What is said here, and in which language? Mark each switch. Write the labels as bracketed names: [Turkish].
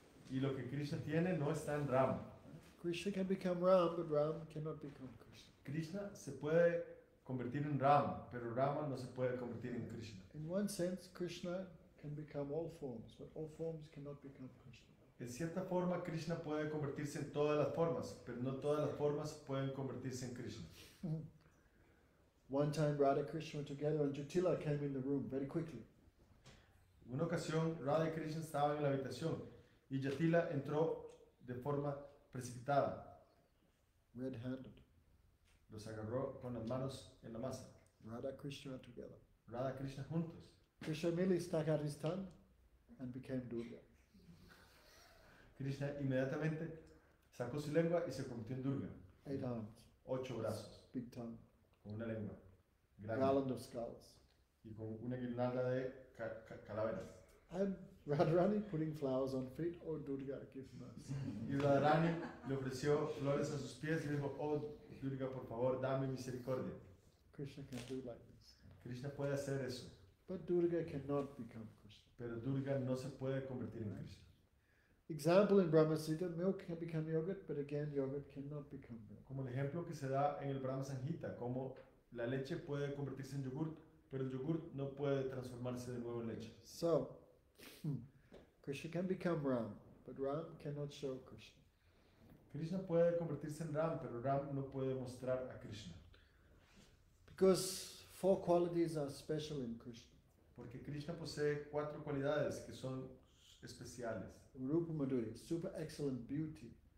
[Spanish] Y lo que Krishna tiene no está en Ram. [English] Krishna can become Ram, but Ram cannot become Krishna. [Spanish] Krishna se puede convertir en Ram, pero Rama no se puede convertir en Krishna. [English] In one sense, Krishna can become all forms, but all forms cannot become Krishna. [Spanish] En cierta forma, Krishna puede convertirse en todas las formas, pero no todas las formas pueden convertirse en Krishna. [English] One time Radha Krishna were together and Jutila came in the room very quickly. [Spanish] Una ocasión Radha y Krishna estaban en la habitación y Jutila entró de forma precipitada. [English] Red-handed. [Spanish] Los agarró con las manos en la masa. [English] Radha Krishna together. [Spanish] Radha Krishna juntos. [English] Krishna merely stuck out his tongue and became Durga. [Spanish] Krishna inmediatamente sacó su lengua y se convirtió en Durga. [English] Eight arms. [Spanish] Ocho brazos. [English] Big tongue. [Spanish] Con una lengua. [English] Garland of skulls. [Spanish] Y con una guirnalda de calaveras. [English] And Radharani putting flowers on feet, "Oh Durga, give mercy." [Spanish] Y Radharani le ofreció flores a sus pies y dijo, "Oh Durga, por favor, dame misericordia." [English] Krishna can do like this. [Spanish] Krishna puede hacer eso. [English] But Durga cannot become Krishna. [Spanish] Pero Durga no se puede convertir en Krishna. [English] Example in Brahma Sita, milk can become yogurt, but again, yogurt cannot become milk. [Spanish] Como el ejemplo que se da en el Brahma Sanhita, como la leche puede convertirse en yogurt, pero el yogurt no puede transformarse de nuevo en leche. [English] So, Krishna can become Ram, but Ram cannot show Krishna. [Spanish] Krishna puede convertirse en Ram, pero Ram no puede mostrar a Krishna. [English] Because four qualities are special in Krishna. [Spanish] Porque Krishna posee cuatro cualidades que son especiales. [English] Rupa Madhuri, super excellent beauty.